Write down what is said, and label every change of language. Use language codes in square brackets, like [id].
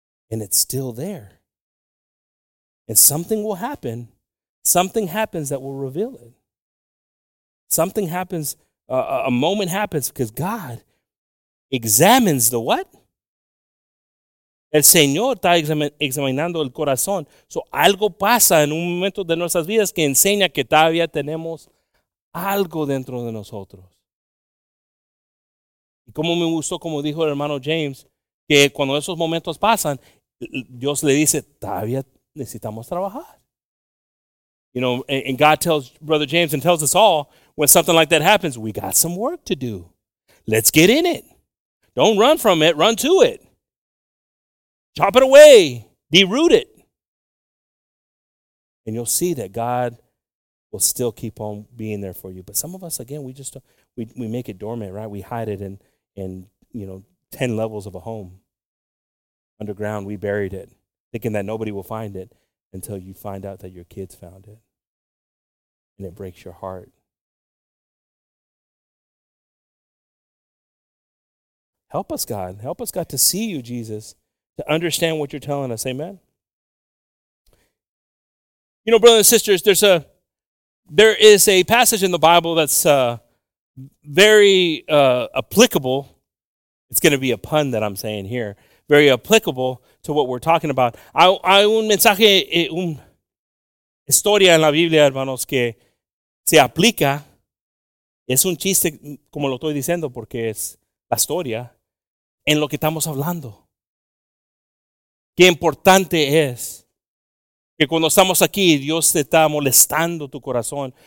[en] And it's still there. And something will happen. Something happens that will reveal it. Something happens, a moment happens, because God examines the what? [es] El Señor está examinando el corazón. So algo pasa en un momento de nuestras vidas que enseña que todavía tenemos algo dentro de nosotros. Y como me gustó, como dijo el hermano James, que cuando esos momentos pasan, Dios le dice, todavía necesitamos trabajar. [en] You know, and God tells Brother James and tells us all, when something like that happens, we got some work to do. Let's get in it. Don't run from it, run to it. Chop it away. Deroot it. And you'll see that God will still keep on being there for you. But some of us, again, we just don't, we make it dormant, right? We hide it in you know, 10 levels of a home. Underground, we buried it, thinking that nobody will find it until you find out that your kids found it. And it breaks your heart. Help us, God, to see you, Jesus, to understand what you're telling us. Amen. You know, brothers and sisters, there is a passage in the Bible that's very applicable. It's going to be a pun that I'm saying here. Very applicable to what we're talking about. [es] Hay un mensaje, un historia en la Biblia, hermanos, que se aplica. Es un chiste, como lo estoy diciendo, porque es la historia. En lo que estamos hablando. Qué importante es que cuando estamos aquí, Dios te está molestando tu corazón.